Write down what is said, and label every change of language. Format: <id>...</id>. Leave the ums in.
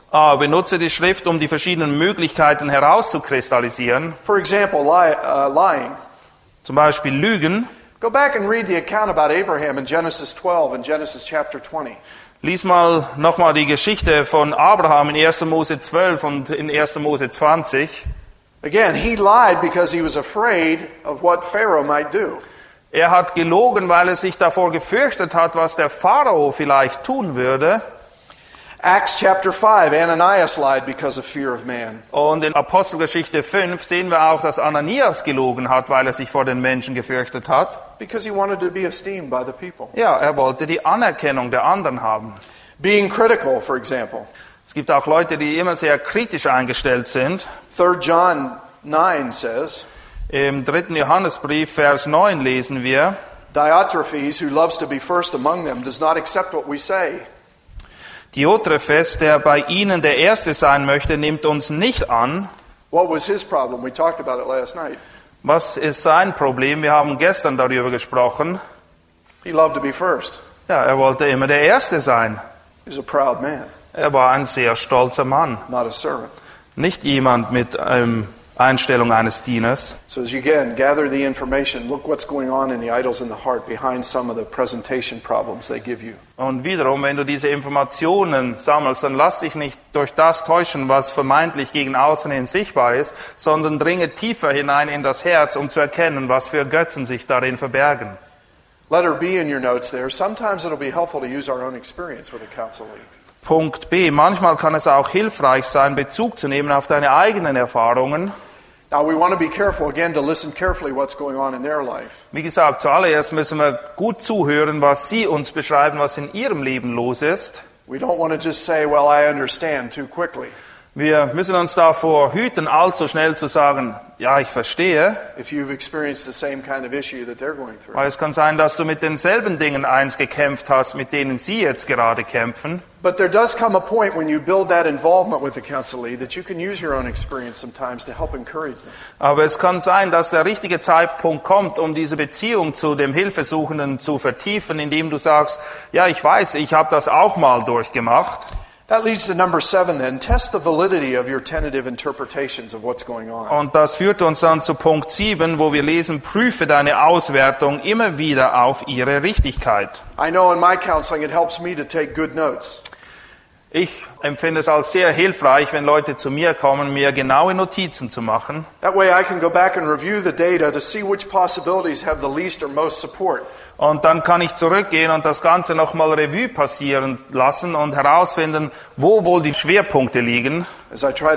<de>Uh, ah, benutze die Schrift, um die verschiedenen Möglichkeiten herauszukristallisieren.</de> <en>For example, lie, uh, lying.</en> <de>Zum Beispiel Lügen.</de> <en>Go back and read the account about Abraham in Genesis 12 and Genesis chapter 20.</en> <de>Lies mal nochmal die Geschichte von Abraham in 1. Mose 12 und in 1. Mose 20.</de> <en>Again, he lied because he was afraid of what Pharaoh might do.</en> <de>Er hat gelogen, weil er sich davor gefürchtet hat, was der Pharao vielleicht tun würde.</de> <en>Acts chapter 5 Ananias lied because of fear of man.</en> <de>Und in Apostelgeschichte 5 sehen wir auch, dass Ananias gelogen hat, weil er sich vor den Menschen gefürchtet hat.</de> <en>Because he wanted to be esteemed by the people.</en> <de>Ja, er wollte die Anerkennung der anderen haben.</de> <en>Being critical for example.</en> <de>Es gibt auch Leute, die immer sehr kritisch eingestellt sind.</de> <en>3 John 9 says</en> <de>im dritten Johannesbrief, Vers 9, lesen wir: Diotrephes, der bei ihnen der Erste sein möchte, nimmt uns nicht an. was ist sein Problem? Wir haben gestern darüber gesprochen. Ja, er wollte immer der Erste sein. Er war ein sehr stolzer Mann. Nicht jemand mit einem. Einstellung eines Dieners.</de> <en>So as you again gather the information, look what's going on in the idols in the heart behind some of the presentation problems they give you.</en> <de>Und wiederum, wenn du diese Informationen sammelst, dann lass dich nicht durch das täuschen, was vermeintlich gegen außen hin sichtbar ist, sondern dringe tiefer hinein in das Herz, um zu erkennen, was für Götzen sich darin verbergen.</de> <en>Letter B in your notes there. Sometimes it'll be helpful to use our own experience with a counselee.</en> <de>Punkt B. Manchmal kann es auch hilfreich sein, Bezug zu nehmen auf deine eigenen Erfahrungen. Wie gesagt, zuallererst müssen wir gut zuhören, was Sie uns beschreiben, was in Ihrem Leben los ist.</de> <en>We don't want to just say, well, I understand</en> <de>wir müssen uns davor hüten, allzu schnell zu sagen, ja, ich verstehe. Weil</de> <en>kind of</en> <de>es kann sein, dass du mit denselben Dingen eins gekämpft hast, mit denen sie jetzt gerade kämpfen.</de> <en>Council,</en> <de>Aber es kann sein, dass der richtige Zeitpunkt kommt, um diese Beziehung zu dem Hilfesuchenden zu vertiefen, indem du sagst, ja, ich weiß, ich habe das auch mal durchgemacht.</de> <en>That leads to number seven then. Test the validity of your tentative interpretations of what's going on.</en> <de>Und das führt uns dann zu Punkt sieben, wo wir lesen, prüfe deine Auswertung immer wieder auf ihre Richtigkeit.</de> <en>I know in my counseling it helps me to take good notes.</en> <de>Ich empfinde es als sehr hilfreich, wenn Leute zu mir kommen, mir genaue Notizen zu machen.</de> <en>That way I can go back and review the data to see which possibilities have the least or most support.</en> <de>und dann kann ich zurückgehen und das Ganze nochmal Revue passieren lassen und herausfinden, wo wohl die Schwerpunkte liegen. The</de>